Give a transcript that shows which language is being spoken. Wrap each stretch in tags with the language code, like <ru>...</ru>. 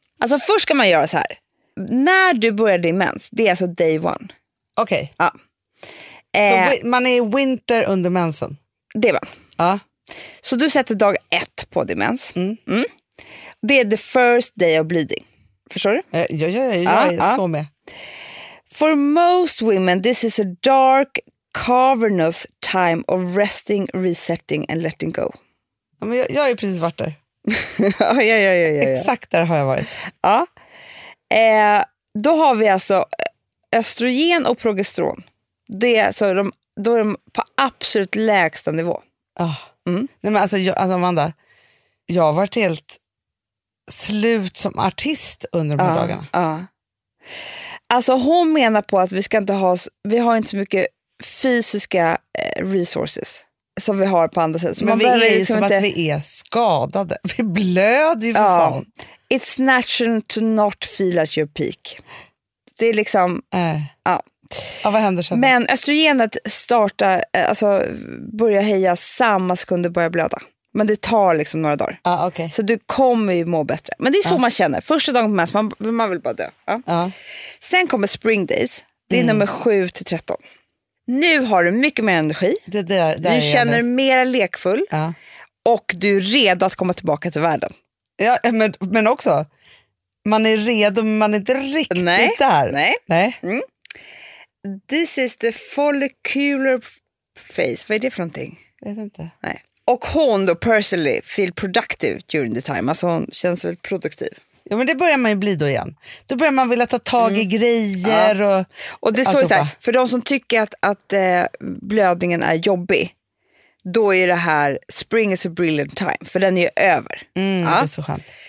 <sv>Alltså först ska man göra så här. När du börjar din mens, det är alltså</sv> <en>day one.</en> <sv>Okej.</sv> <en>Okay. Ja.</en> <sv>Så man är i winter under mensen? Det är man. Ja. Så du sätter dag 1 på din mens. Mm. Mm. Det är</sv> <en>the first day of bleeding.</en> <sv>Förstår du? Jag är så med.</sv> <en>For most women, this is a dark, cavernous time of resting, resetting and letting go.</en> <sv>Ja, men jag är precis vart där. Ja. Exakt där har jag varit. Ja. Då har vi alltså östrogen och progesteron. Det är så de är på absolut lägsta nivå. Oh. Mm. Nej, men alltså Amanda, jag har varit helt slut som artist under de här dagarna. Alltså hon menar på att vi har inte så mycket fysiska resources som vi har på andra sätt. Men vi är ju som inte att vi är skadade. Vi blöder ju för fan.</sv> <en>It's natural to not feel at your peak.</en> <sv>Det är liksom Vad händer sen? Men östrogenet startar, alltså börjar heja samma sekund du börjar blöda. Men det tar liksom några dagar.</sv> <en>Okay.</en> <sv>Så du kommer ju må bättre. Men det är så man känner. Första dagen på mens, man vill bara dö. Sen kommer</sv> <en>spring days.</en> <sv>Det är nummer 7-13. Nu har du mycket mer energi. Det du känner dig mer lekfull. Ja. Och du är redo att komma tillbaka till världen. Ja, men också. Man är redo, men man är inte riktigt där. Nej. Mm.</sv> <en>This is the follicular phase.</en> <sv>Vad är det för någonting? Vet inte. Nej. Och hon då,</sv> <en>personally, feel productive during the time.</en> <sv>Alltså hon känns väldigt produktiv. Ja, men det börjar man ju bli då igen. Då börjar man vilja ta tag i grejer. Ja. Och det står så här, för de som tycker att blödningen är jobbig, då är det här</sv> <en>spring is a brilliant time.</en> <sv>För den är ju över. Mm, ja. Det är så skönt.</sv>